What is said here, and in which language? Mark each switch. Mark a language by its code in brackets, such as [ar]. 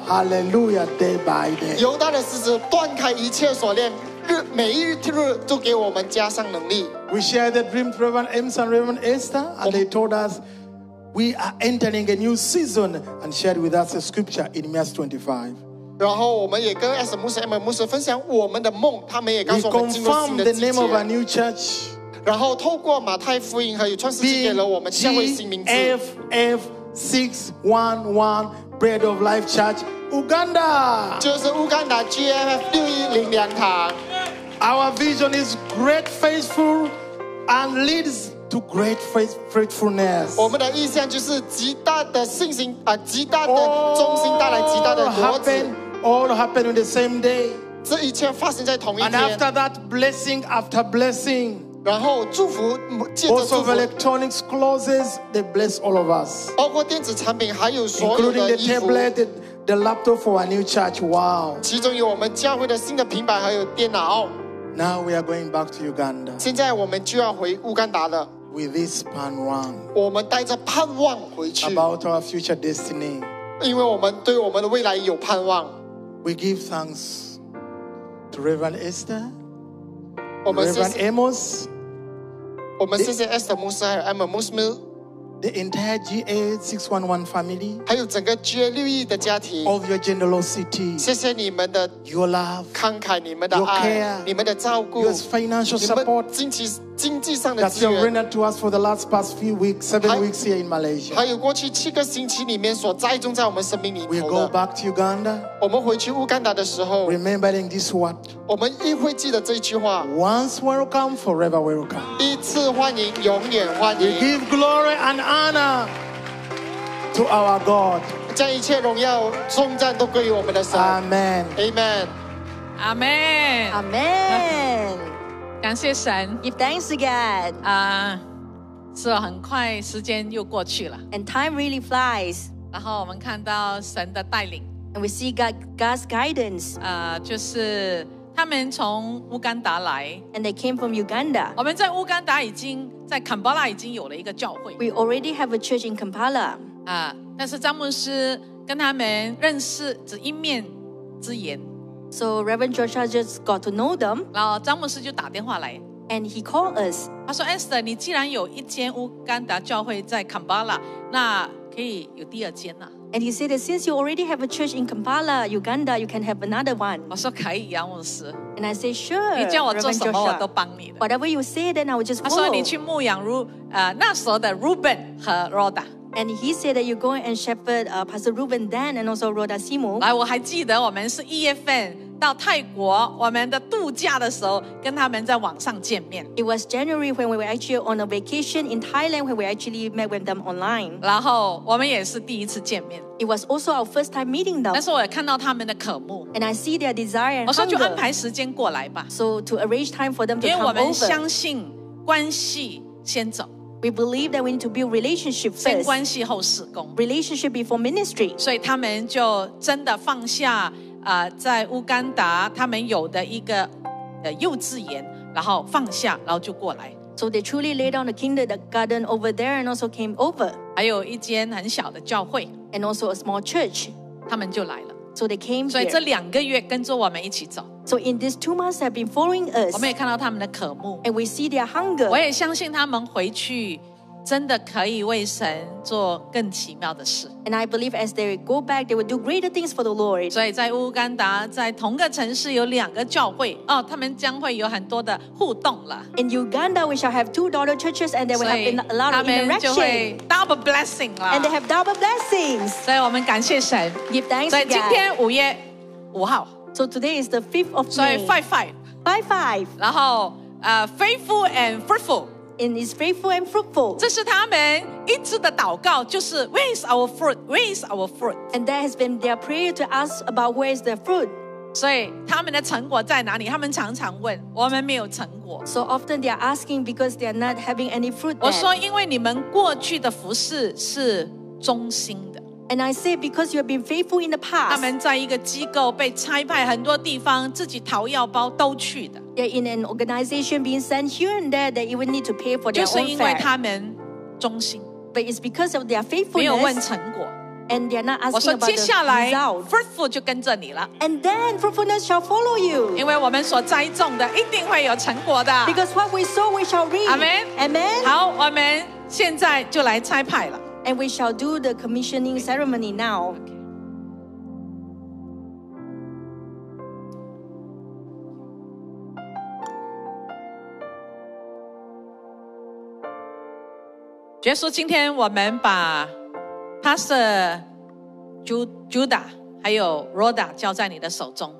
[en] Hallelujah, day by day. [zh] 犹大的狮子断开一切锁链。每一日都给我们加上能力。 [en] We shared the dream to Reverend Ames and Reverend Esther, and they told us we are entering a new season, and shared with us a scripture in Numbers 25. [zh] 然后我们也跟 Esther 牧师、Amos 牧师分享我们的梦，他们也告诉我们进入新的季节。 [en] We confirmed the name of a new church. [zh] 然后透过马太福音和与创世纪给了我们教会新名字。 [en] BGFF611 Bread of Life Church. Uganda, [zh] 就是乌干达 GFF 610粮堂。 [en] Our vision is great, faithful, and leads to great fruitfulness. [zh] 我们的意向就是极大的信心啊，极大的忠心带来极大的果子。 [en] All happen on the same day. [zh] 这一切发生在同一天。 [en] And after that, blessing after blessing. [zh] 然后祝福, 借着祝福 [en] also electronics closes, they bless all of us. [zh] 包括电子产品还有所有的衣服 [en] including the tablet, the laptop for our new church, wow. [zh] 其中有我们教会的新的平板还有电脑 [en] Now we are going back to Uganda. [zh] 现在我们就要回乌干达了 [en] With this [zh] 盼望我们带着盼望回去 [en] About our future destiny. [zh] 因为我们对我们的未来有盼望 [en] We give thanks to Reverend Esther. Reverend Amos, [zh] 我们谢谢 Esther 牧师还有 Emma 牧师 [en] the entire GA611 family, [zh] 还有整个 GA61 的家庭 [en] of your generosity, [zh] 谢谢你们的 [en] your love, [zh] 慷慨你们的爱 [en] your care, [zh] 你们的照顾 [en] your financial support, [zh] 你们经济上的资源 [en] that you have rendered to us for the last past few weeks, seven weeks here in Malaysia, [zh] 还有过去七个星期里面所栽种在我们生命里头的 [en] we go back to Uganda, [zh] 我们回去乌干达的时候 [en] remembering this word, [zh] 我们亦会记得这句话 [en] Once welcome, forever welcome. [zh] 一次欢迎，永远欢迎。 [en] We give glory and honor to our God. [zh] 将一切荣耀、颂赞都归于我们的神。 [en] Amen. Amen. Amen. Amen. [zh] 感谢神。 [en] Give thanks to God. [zh] 是很快时间又过去了。 [en] And time really flies. [zh] 然后我们看到神的带领。 [en] And we see God's guidance. [zh] 就是他们从乌干达来 [en] and they came from Uganda. [zh] 我们在乌干达已经在坎巴拉已经有了一个教会 [en] We already have a church in Kampala. [zh] 但是张牧师跟他们认识只一面之缘 [en] So Reverend Joshua just got to know them. [zh] 然后张牧师就打电话来 [en] And he called us. [zh] 他说 Esther, 你既然有一间乌干达教会在坎巴拉，那可以有第二间啊。 [en] And he said that since you already have a church in Kampala, Uganda, you can have another one. [zh] 我说可以啊，牧师。 [en] And I say sure. [zh] 你叫我做什么，我都帮你的。 [en] Whatever you say, then I will just follow. [zh] 他说你去牧养那时候的 Reuben 和 Rhoda. [en] And he said that you go and shepherd Pastor Reuben then and also Rhoda Simo. [zh] 来，我还记得我们是一月份到泰国我们的度假的时候，跟他们在网上见面。 [en] It was January when we were actually on a vacation in Thailand when we actually met with them online. [zh] 然后我们也是第一次见面。 [en] It was also our first time meeting them. [zh] 但是我也看到他们的渴慕。 [en] And I see their desire. [zh] 我说就安排时间过来吧。 [en] So to arrange time for them to come over. [zh] 因为我们相信关系先走。 [en] We believe that we need to build relationship first. [zh] 先关系后事工。 [en] Relationship before ministry. [zh] 所以他们就真的放下。在乌干达他们有的一个幼稚园然后放下然后就过来 [en] So they truly laid down the kindergarten over there and also came over [zh] 还有一间很小的教会 [en] And also a small church [zh] 他们就来了 [en] So they came here [zh] 所以这两个月跟着我们一起走 [en] So in these 2 months they have been following us [zh] 我们也看到他们的渴慕 [en] And we see their hunger [zh] 我也相信他们回去真的可以为神做更奇妙的事。 [en] And I believe as they go back, they will do greater things for the Lord. [zh] 所以在乌干达，在同个城市有两个教会，哦，他们将会有很多的互动了。 [en] In Uganda, we shall have two daughter churches, and they will have a lot of interaction. [zh] 他们就会 [en] double blessing [zh] 了。 [en] And they have double blessings. [zh] 所以我们感谢神。 [en] Give thanks. [zh] 所以今天五月五号。 [en] So today is the 5th of May. [zh] 所以 5-5. [en] 5-5. [zh] 然后 [en] faithful and fruitful. And is faithful and fruitful. [zh] 这是他们一直的祷告，就是 [en] Where is our fruit? [zh] Where is our fruit? [en] And that has been their prayer to ask about where is their fruit. [zh] 所以他们的成果在哪里？他们常常问，我们没有成果。 [en] So often they are asking because they are not having any fruit. [zh] 我说，因为你们过去的服事是忠心的。 [en] And I say because you have been faithful in the past. [zh] 他们在一个机构被差派很多地方，自己掏腰包都去的。 [en] They're in an organization being sent here and there that even need to pay for their own fare. [zh] 就是因为他们忠心。 [en] But it's because of their faithfulness. [zh] 没有问成果。 [en] And they're not asking about the result. [zh] 我说接下来 [en] fruitful [zh] 就跟着你了。 [en] And then fruitfulness shall follow you. [zh] 因为我们所栽种的一定会有成果的。 [en] Because what we sow we shall reap. Amen. Amen. [zh] 好，我们现在就来差派了。 [en] And we shall do the commissioning ceremony now. Okay. [zh] 耶稣，今天我们把 Pastor Judah 还有 Rhoda 交在你的手中。